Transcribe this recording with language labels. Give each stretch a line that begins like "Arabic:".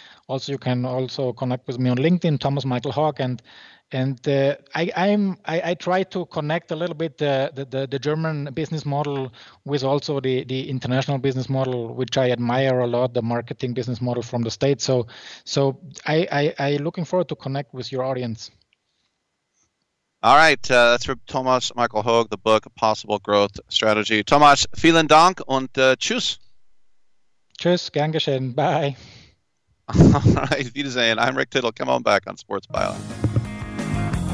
English: Also, you can also connect with me on LinkedIn, Thomas Michael Hawk, and I try to connect a little bit the German business model with also the international business model, which I admire a lot, the marketing business model from the States. So I looking forward to connect with your audience. All right, that's for Thomas Michael Hoag, the book, Possible Growth Strategy.
German: Thomas, vielen Dank und tschüss. Tschüss, gern geschehen, bye.
English: All right, wiedersehen. I'm Rick Tittle. Come on back on Sports Byline.